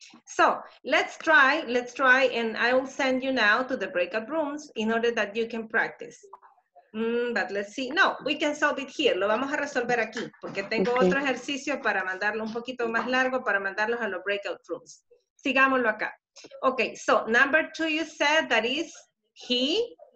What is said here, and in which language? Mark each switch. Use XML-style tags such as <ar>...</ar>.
<en>So let's try, and I will send you now to the breakout rooms in order that you can practice. But let's see. No, we can solve it here.</en> <es>Lo vamos a resolver aquí, porque tengo otro ejercicio para mandarlo un poquito más largo, para mandarlos a los breakout rooms. Sigámoslo acá.</es> <en>Okay, so number 2 you said that is he?</en>